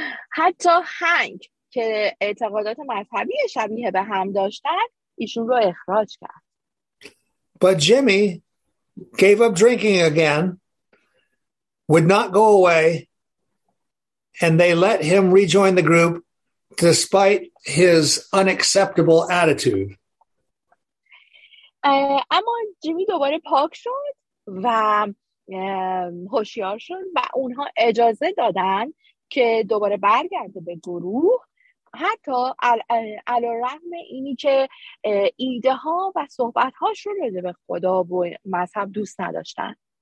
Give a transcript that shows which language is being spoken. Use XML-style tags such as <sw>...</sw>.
<fa>حتی هنگ که اعتقادات مذهبی شبیه به هم داشتن ایشون رو اخراج کرد.</fa> <en>But Jimmy gave up drinking again, would not go away, and they let him rejoin the group despite his unacceptable attitude.</en> <fa>اما جیمی دوباره پاک شد و هوشیار شد و اونها اجازه دادن که دوباره برگرده به گروه، حتی علی‌رغم اینی که ایده ها و صحبت هاش رو راجع به خدا و مذهب دوست نداشتن.</fa>